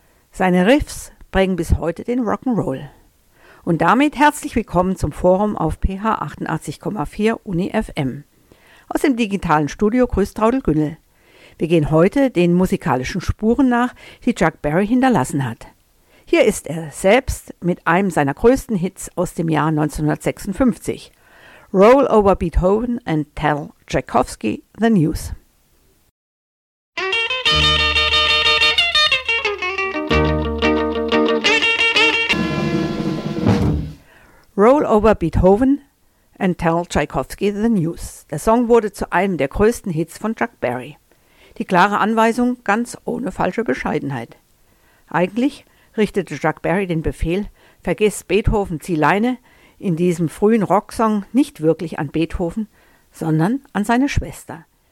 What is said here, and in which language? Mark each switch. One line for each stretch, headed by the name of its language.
German: Seine Riffs prägen bis heute den Rock'n'Roll. Und damit herzlich willkommen zum Forum auf PH 88,4 Uni FM. Aus dem digitalen Studio grüßt Traudl Günnel. Wir gehen heute den musikalischen Spuren nach, die Chuck Berry hinterlassen hat. Hier ist er selbst mit einem seiner größten Hits aus dem Jahr 1956.
English: Roll over Beethoven and tell Tchaikovsky the news. Roll over Beethoven and tell Tchaikovsky the news.
German: Der Song wurde zu einem der größten Hits von Chuck Berry. Die klare Anweisung, ganz ohne falsche Bescheidenheit. Eigentlich richtete Chuck Berry den Befehl, vergiss Beethoven, zieh Leine, in diesem frühen Rocksong nicht wirklich an Beethoven, sondern an seine Schwester.